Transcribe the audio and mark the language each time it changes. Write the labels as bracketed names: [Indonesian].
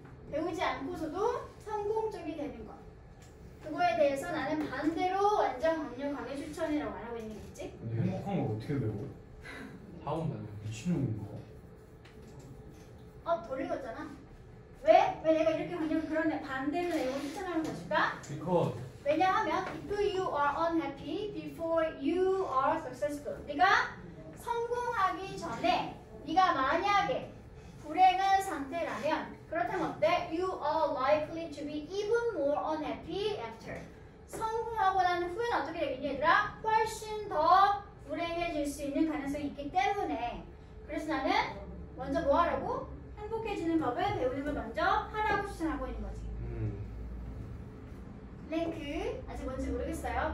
[Korean] 배우지 않고서도 성공적이 되는 것. 그거에 대해서 나는 반대로 완전 강력하게 추천이라고 말하고 있는 거지. 행복한 걸 어떻게 배워? 다음 단어 미친놈인가? 어, 돌리겠잖아. 왜? 왜 내가 이렇게 강력 그런 반대로 내용을 추천하는 것일까? [English] Because [Korean] 왜냐하면 [English] before you are unhappy, before you are successful. [Korean] 네가 성공하기 전에 네가 만약에 불행한 상태라면 그렇다면 어때? [English] You are likely to be even more unhappy after. [Korean] 성공하고 난 후에는 어떻게 되겠니 얘들아? 훨씬 더 불행해질 수 있는 가능성이 있기 때문에 그래서 나는 먼저 뭐하라고? 행복해지는 법을 배우는 걸 먼저 하라고 추천하고 있는 거지. 랭크 아직 뭔지 모르겠어요.